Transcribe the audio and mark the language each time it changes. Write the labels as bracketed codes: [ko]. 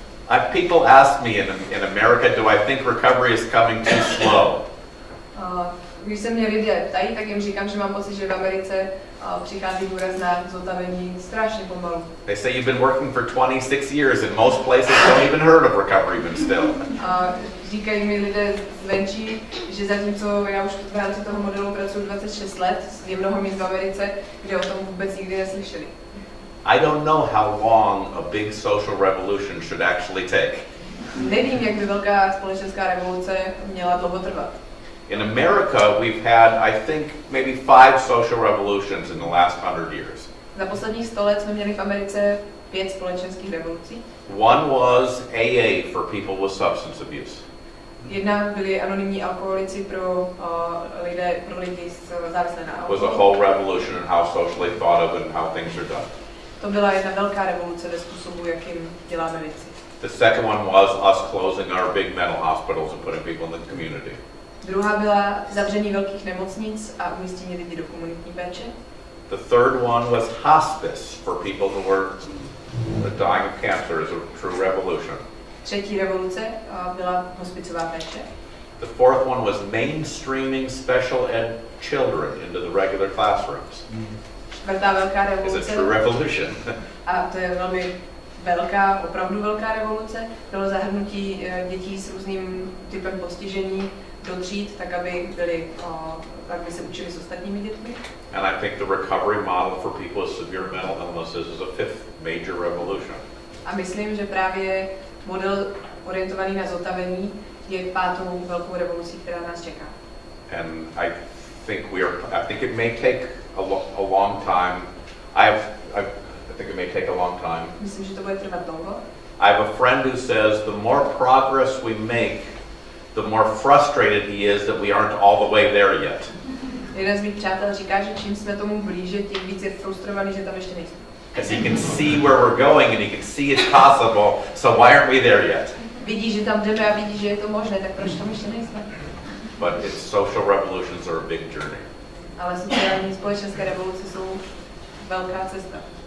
[en] I've people ask me in America, do I think recovery is coming too slow? [cs] Když se mě lidé ptají, tak jim říkám, že mám pocit, že v Americe přichází důraz na zotavení strašně pomalu. [en] They say you've been working for 26 years and most places don't even heard of recovery even still. [cs] Říkají mi lidé zvenčí, že zatímco já už v rámci toho modelu pracuji 26 let, je mnoho míst v Americe, kde o tom vůbec nikdy neslyšeli. [en] I don't know how long a big social revolution should actually take. [cs] Nevím, jak by velká společenská revoluce měla dlouho trvat. [en] In America, we've had, I think, maybe 5 social revolutions in the last 100 years. [cs] Za posledních 100 let jsme měli v Americe 5 společenských revolucí. [en] One was AA for people with substance abuse. [cs] Jedna byly anonymní alkoholici pro lidi závislé na alkoholu. [en] Was a whole revolution in how socially thought of and how things are done. [cs] To byla jedna velká revoluce ve způsobu, jakým děláme věci. [en] The second one was us closing our big mental hospitals and putting people in the community. [cs] Druhá byla zavření velkých nemocnic a umístění lidí do komunitní péče. [en] The third one was hospice for people who were dying of cancer is a true revolution. [cs] Třetí revoluce byla hospicová péče. [en] The fourth one was mainstreaming special ed children into the regular classrooms. [cs] Čtvrtá velká revoluce. [en] It's a true revolution. [cs] A to je velmi velká, opravdu velká revoluce. Bylo zahrnutí dětí s různým typem postižení do tříd, tak aby byli, tak by se učili s ostatními dětmi. [en] And I think the recovery model for people with severe mental illnesses is a fifth major revolution. [cs] A myslím, že právě model orientovaný na zotavení je pátou velkou revolucí, která nás čeká. [en] And I think it may take a long time. I think it may take a long time. [cs] Myslím, že to bude trvat dlouho. [en] I have a friend who says the more progress we make, the more frustrated he is that we aren't all the way there yet. [cs] Jeden z mých přátel říká, že čím jsme tomu blíže, tím víc je frustrovaný, že tam ještě nejsme. [en] Because he can see where we're going and he can see it's possible, so why aren't we there yet? [cs] Vidí, že tam jdeme a vidí, že je to možné, tak proč tam ještě nejsme? [en] But it's social revolutions are a big journey. [cs] Ale sociální společenské revoluce jsou velká cesta.